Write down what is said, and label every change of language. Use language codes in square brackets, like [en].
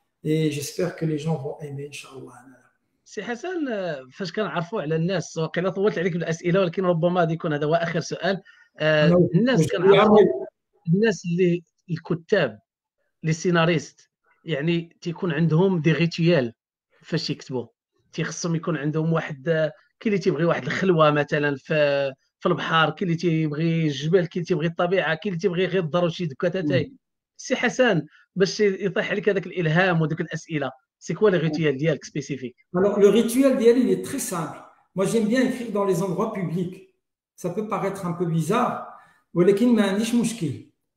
[fr] Et j'espère que les gens vont aimer, inshallah. [ar] سي حسن، فاش كنعرفوا على الناس وقيلا طولت عليك بالأسئلة، ولكن ربما غادي يكون هذا هو آخر سؤال. الناس كنعرفوا الناس اللي الكتاب لي سيناريست يعني تيكون عندهم دي ريتويال فاش يكتبوا، تيخصهم يكون عندهم واحد كاين اللي تيبغي واحد الخلوه مثلا في البحر، كاين اللي تيبغي الجبال، كاين اللي تيبغي الطبيعه، كاين اللي تيبغي غير الدار وشي دكات اتاي. سي حسن باش يطيح عليك هذاك الالهام ودوك الاسئله، [fr] سي كوا لي ريتويال [ar] ديالك سبيسيفيك؟ [fr] alors le rituel ديالي est très simple. Moi j'aime bien écrire dans les endroits publics. Ça peut paraître un peu bizarre [ar] ولكن ما عنديش مشكل.